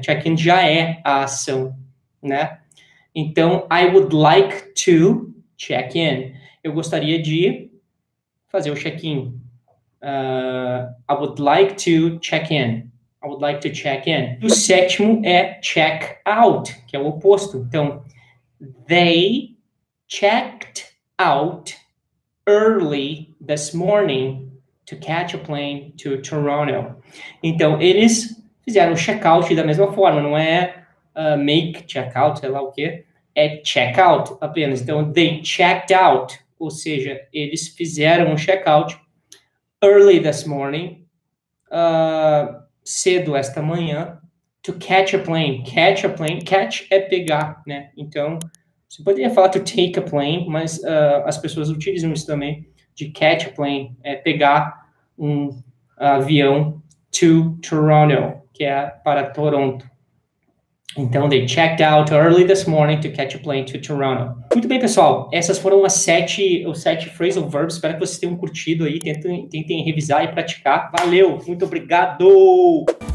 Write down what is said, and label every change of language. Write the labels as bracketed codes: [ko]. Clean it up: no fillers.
[pt] Check-in já é a ação, né? Então, [en] I would like to check-in. [pt] Eu gostaria de fazer o check-in. [en] I would like to check-in. I would like to check in. [pt] O sétimo é check out, que é o oposto. [en] Então, they checked out early this morning to catch a plane to Toronto. [pt] Então, eles fizeram check out da mesma forma. Não é make check out, sei lá o quê. É check out apenas. Então, [en] they checked out, [pt] ou seja, eles fizeram check out [en] early this morning. [pt] Cedo esta manhã, [en] to catch a plane. Catch a plane, catch [pt] é pegar, né? Então, você poderia falar [en] to take a plane, [pt] mas as pessoas utilizam isso também, de catch a plane, é pegar um avião [en] to Toronto, [pt] que é para Toronto. [en] Então, they checked out early this morning to catch a plane to Toronto. [pt] Muito bem, pessoal, essas foram os sete phrasal verbs. Espero que vocês tenham curtido aí. Tentem revisar e praticar. Valeu, muito obrigado!